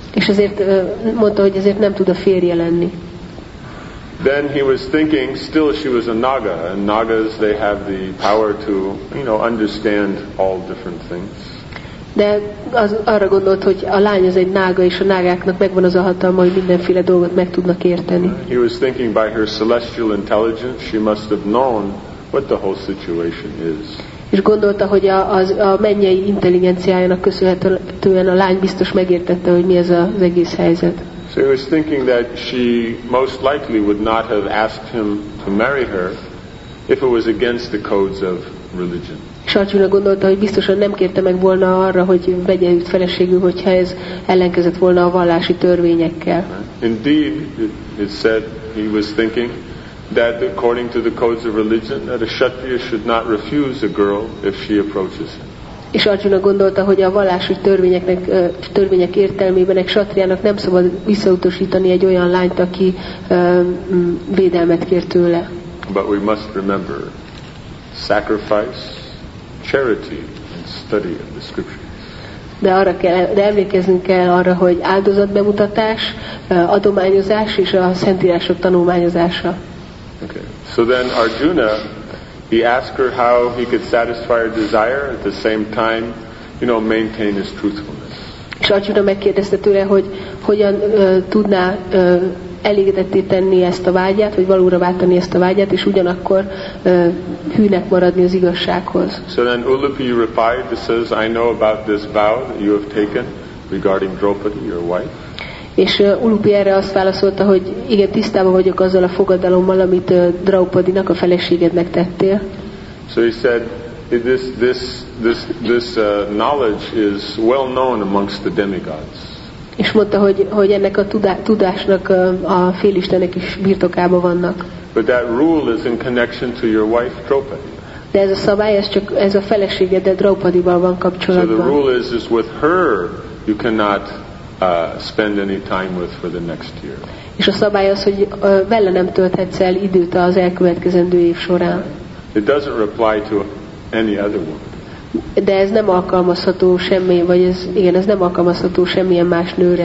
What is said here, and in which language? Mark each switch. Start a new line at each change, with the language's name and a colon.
Hungarian: És ezért mondta, hogy ezért nem tud a férje lenni.
English: Then he was thinking, still she was a Naga, and Nagas, they have the power to, you know, understand all different things.
Hungarian: De az, arra gondolt, hogy a lány az egy nága, és a nágáknak megvan az a hatalma, hogy mindenféle dolgot meg tudnak érteni.
English: He was thinking by her celestial intelligence, she must have known what the whole situation is.
Hungarian: És gondolta, hogy a mennyei intelligenciájának köszönhetően a lány biztos megértette, hogy mi ez az egész helyzet.
English: So he was thinking that she most likely would not have asked him to marry her if it was against the codes of religion.
Hungarian: Sarcsúnak gondolta, hogy biztosan nem kérte meg volna arra, hogy vegye őt feleségül, hogyha ez ellenkezett volna a vallási törvényekkel.
English: Indeed, it said he was thinking that according to the codes of religion, that a kshatriya should not refuse a girl if she approaches him.
Hungarian: És Arjuna gondolta, hogy a vallási törvények értelmében egy kshatriának nem szabad visszautasítani egy olyan lányt, aki védelmet kér tőle.
English: But we must remember sacrifice, charity and study of the scriptures.
Hungarian: De emlékeznünk kell arra, hogy áldozatbemutatás, adományozás és a szentírások tanulmányozása.
English: Okay. So then Arjuna, he asked her how he could satisfy her desire at the same time, you know, maintain his truthfulness.
Hungarian: És Arjuna megkérdezte tőle, hogy hogyan tudná elégedetté tenni ezt a vágyát, vagy valóra váltani ezt a vágyát, és ugyanakkor hűnek maradni az igazsághoz.
English: So then Ulupi replied, this says, I know about this vow that you have taken regarding Draupadi, your wife.
Hungarian: És Ulupi erre azt válaszolta, hogy igen, tisztában vagyok azzal a fogadalommal, amit Draupadinak a feleségednek tettél.
English: So he said, this knowledge is well known amongst the demigods.
Hungarian: És mondta, hogy ennek a tudásnak a félistenek is birtokában vannak.
English: But that rule is in connection to your wife Draupadi.
Hungarian: De ez a szabály, ez a feleségeddel, Draupadival van kapcsolatban.
English: So the rule is with her you cannot spend any time with for the next year.
Hungarian: És a szabály az, hogy vele nem tölthetsz el időt az elkövetkezendő év során.
English: It doesn't apply to any other woman.
Hungarian: De ez nem alkalmazható semmi, vagy ez igen, ez nem alkalmazható semmilyen más nőre.